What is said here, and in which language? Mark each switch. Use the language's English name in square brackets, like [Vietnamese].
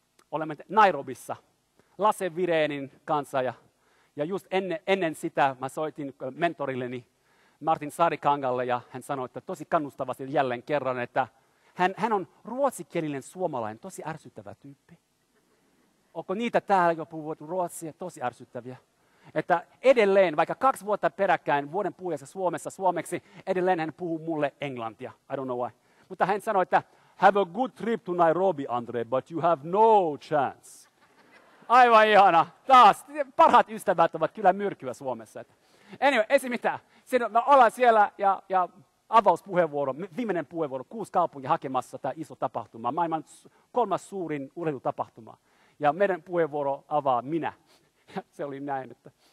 [Finnish] Olemme Nairobissa Lasse Virenin kanssa ja just ennen sitä mä soitin mentorilleni Martin Saarikangalle ja hän sanoi, että tosi kannustavasti jälleen kerran, että hän on ruotsikielinen suomalainen, tosi ärsyttävä tyyppi. Onko niitä täällä jo puhuvat ruotsia, tosi ärsyttäviä. Että edelleen, vaikka 2 vuotta peräkkäin vuoden puhujassa Suomessa suomeksi, edelleen hän puhuu mulle englantia, [English] I don't know why. [Finnish] Mutta hän sanoi, että [English] Have a good trip to Nairobi, Andre, but you have no chance. [Finnish] Aivan ihana. Taas. Parhaat ystävät ovat kyllä myrkyä Suomessa. Anyway, ei se mitään. Mä olen siellä ja avauspuheenvuoro, viimeinen puheenvuoro, 6 kaupunki hakemassa tämä iso tapahtuma. Maailman 3. suurin urheilutapahtuma. Ja meidän puheenvuoro avaa minä. Se oli näin, että...